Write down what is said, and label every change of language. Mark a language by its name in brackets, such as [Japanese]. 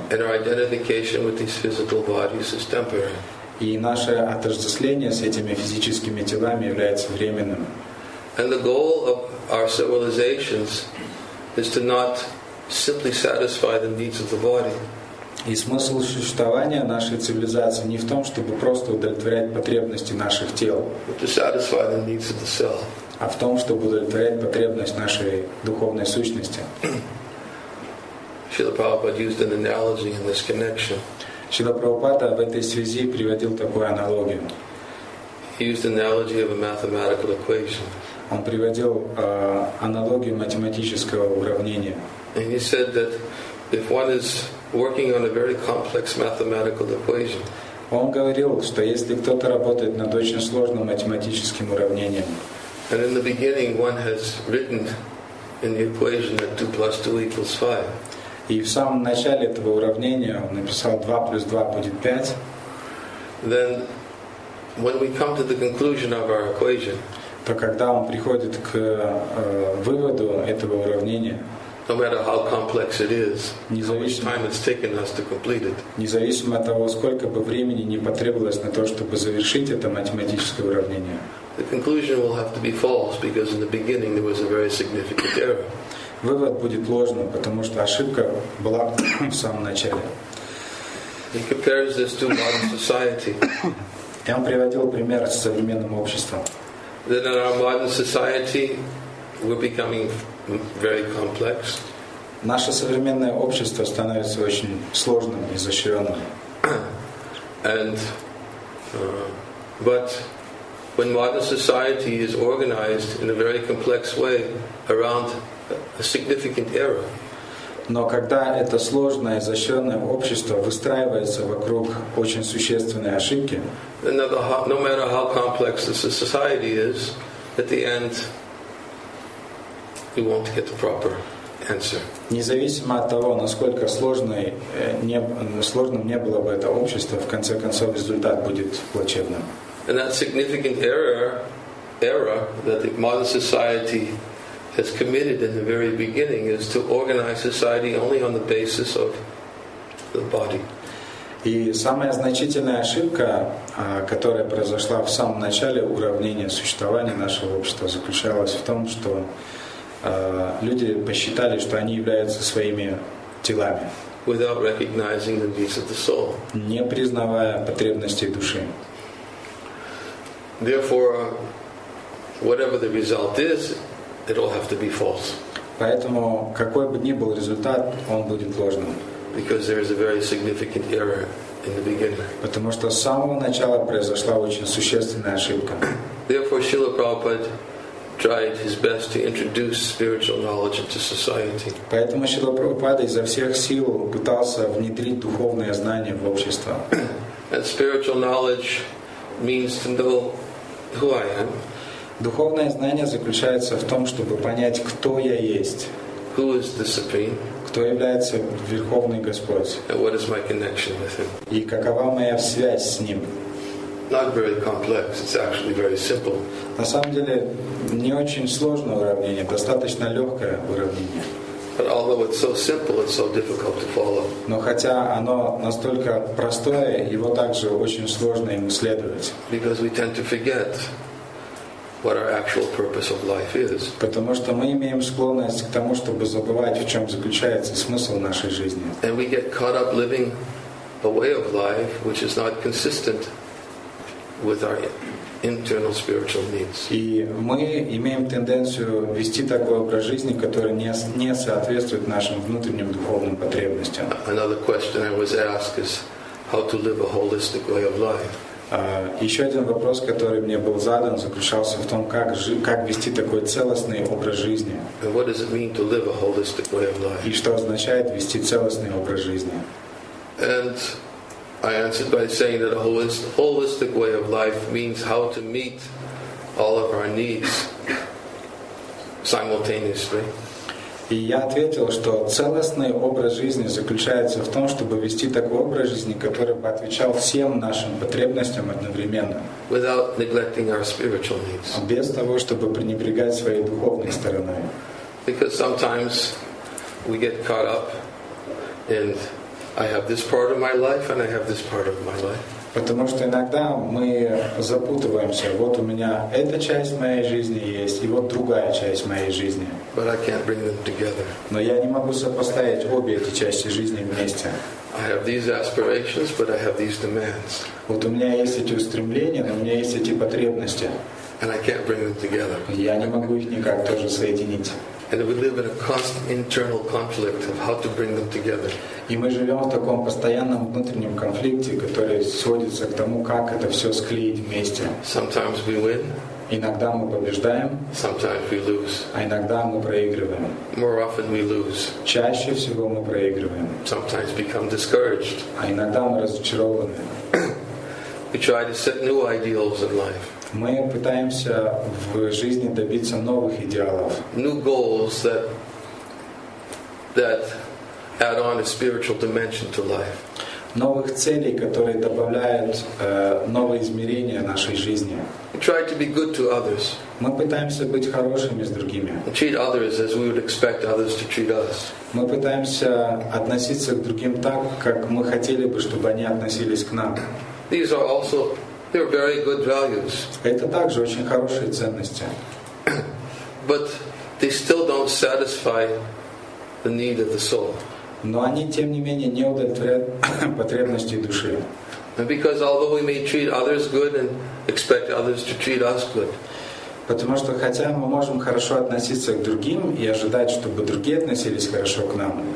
[English] And our identification with these physical bodies is temporary. [Russian] И наше отождествление с этими физическими телами является временным. [English] And the goal of our civilizations is to not simply satisfy the needs of the body. [Russian] И смысл существования нашей цивилизации не в том, чтобы просто удовлетворять потребности наших тел, [English] but to satisfy the needs of the soul. [Russian] А в том, чтобы удовлетворять потребность нашей духовной сущности. [English] Srila Prabhupada used an analogy in this connection. [Russian] Srila Prabhupada в этой связи приводил такую аналогию. [English] He used an analogy of a mathematical equation. [Russian] Он приводил аналогию математического уравнения. [English] And he said that if one is working on a very complex mathematical equation, [Russian] он говорил, что если кто-то работает над очень сложным математическим уравнением, [English] and in the beginning one has written in the equation that 2 plus 2 equals 5. [Russian] И в самом начале этого уравнения он написал 2 плюс 2 будет 5. [English] Then when we come to the conclusion of our equation, [Russian] то когда он приходит к выводу этого уравнения, [English] no matter how complex it is, [Russian] независимо, [English] how much time it's taken us to complete it, [Russian] независимо от того, сколько бы времени не потребовалось на то, чтобы завершить это математическое уравнение, [English] the conclusion will have to be false because in the beginning there was a very significant error. [Russian] Вывод будет ложным, потому что ошибка была в самом начале. [English] He compares this to modern society. [Russian] И он приводил пример с современным обществом. [English] That in our modern society, we're becoming very complex. [Russian] Наше современное общество становится очень сложным, изощренным. [English] And, but when modern society is organized in a very complex way around a significant error. [Russian] Но когда это сложное, изощренное общество выстраивается вокруг очень существенной ошибки, [English] no matter how complex the society is, at the end, you won't get the proper answer. [Russian] Независимо от того, насколько сложным не было бы это общество, в конце концов результат будет плачевным. [English] And that significant error that the modern society has committed in the very beginning is to organize society only on the basis of the body. [Russian] И самая значительная ошибка, которая произошла в самом начале уравнения существования нашего общества, заключалась в том, что люди посчитали, что они являются своими телами, [English] without recognizing the needs of the soul, [Russian] не признавая потребностей души. [English] Therefore, whatever the result is, it will have to be false. [Russian] Поэтому какой бы ни был результат, он будет ложным. [English] Because there is a very significant error in the beginning. [Russian] Потому что с самого начала произошла очень существенная ошибка. [English] Therefore, Srila Prabhupada tried his best to introduce spiritual knowledge into society. [Russian] Поэтому Шрила Прабхупада изо всех сил пытался внедрить духовные знания в общество. [English] And spiritual knowledge means to know who I am. [Russian] Духовное знание заключается в том, чтобы понять, кто я есть. [English] Who is the Supreme? [Russian] Кто является Верховный Господь? [English] And what is my connection with Him? [Russian] И какова моя связь с Ним? [English] Not very complex. It's actually very simple. [Russian] На самом деле не очень сложное уравнение, достаточно легкое уравнение. [English] But although it's so simple, it's so difficult to follow. [Russian] Но хотя оно настолько простое, его также очень сложно им следовать. [English] Because we tend to forget what our actual purpose of life is. [Russian] Потому что мы имеем склонность к тому, чтобы забывать, в чем заключается смысл нашей жизни. [English] And we get caught up living a way of life which is not consistent with our internal spiritual needs. [Russian] И мы имеем тенденцию вести такой образ жизни, который не соответствует нашим внутренним духовным потребностям. [English] Another question I was asked is how to live a holistic way of life. [Russian] Еще один вопрос, который мне был задан, заключался в том, как вести такой целостный образ жизни. [English] And what does it mean to live a holistic way of life? [Russian] И что означает вести целостный образ жизни? [English] And I answered by saying that a holistic way of life means how to meet all of our needs simultaneously. [Russian] И я ответил, что целостный образ жизни заключается в том, чтобы вести такой образ жизни, который бы отвечал всем нашим потребностям одновременно. [English] Without neglecting our spiritual needs. [Russian] Без того, чтобы пренебрегать своей духовной стороной. [English] Because sometimes we get caught up in I have this part of my life and I have this part of my life. [Russian] Потому что иногда мы запутываемся. Вот у меня эта часть моей жизни есть, и вот другая часть моей жизни. [English] But I can't bring them together. [Russian] Но я не могу сопоставить обе эти части жизни вместе. [English] I have these aspirations, but I have these demands. [Russian] Вот у меня есть эти устремления, но у меня есть эти потребности. [English] and I can't bring them together. [Russian] Я не могу их никак тоже соединить. [English] And we live in a constant internal conflict of how to bring them together. [Russian] И мы живем в таком постоянном внутреннем конфликте, который сводится к тому, как это все склеить вместе. [English] Sometimes we win. [Russian] Иногда мы побеждаем. [English] Sometimes we lose. [Russian] А иногда мы проигрываем. [English] More often we lose. [Russian] Чаще всего мы проигрываем. [English] Sometimes become discouraged. [Russian] А иногда мы разочарованы. [English] We try to set new ideals in life. [Russian] Мы пытаемся в жизни добиться новых идеалов. [English] New goals that add on a spiritual dimension to life. [Russian] Новых целей, которые добавляют новые измерения нашей жизни. [English] We try to be good to others. [Russian] Мы пытаемся быть хорошими с другими. [English] Treat others as we would expect others to treat us. [Russian] Мы пытаемся относиться к другим так, как мы хотели бы, чтобы они относились к нам. [English] These are also they're very good values. [Russian] Это также очень хорошие ценности. [English] But they still don't satisfy the need of the soul. [Russian] Но они тем не менее не удовлетворяют потребности души. [English] Because although we may treat others good and expect others to treat us good. [Russian] Потому что хотя мы можем хорошо относиться к другим и ожидать, чтобы другие относились хорошо к нам.